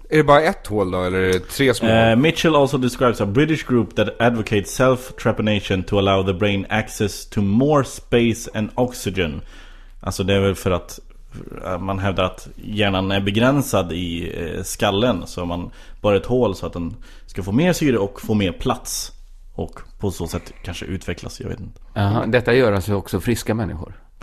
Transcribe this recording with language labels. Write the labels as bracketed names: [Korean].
[Swedish] Är det bara ett hål då, eller är det tre små? [English] Mitchell also describes a British group that advocates self-trepanation to allow the brain access to more space and oxygen. [Swedish] Alltså det är väl för att man hävdar att hjärnan är begränsad i skallen, så man bara ett hål så att den ska få mer syre och få mer plats och på så sätt kanske utvecklas, jag vet inte. Aha, detta gör alltså också friska människor.